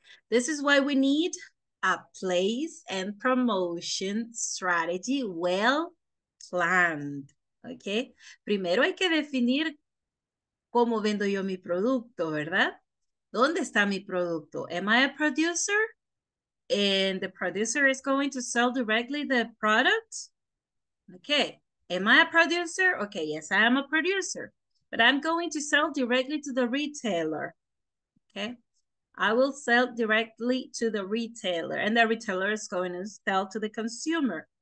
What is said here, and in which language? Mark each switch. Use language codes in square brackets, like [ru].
[en] This is why we need a place and promotion strategy well planned, okay? [es] Primero hay que definir cómo vendo yo mi producto, ¿verdad? ¿Dónde está mi producto? [en] Am I a producer? And the producer is going to sell directly the product? Okay. Am I a producer? Okay, yes, I am a producer. But I'm going to sell directly to the retailer. Okay. I will sell directly to the retailer. And the retailer is going to sell to the consumer.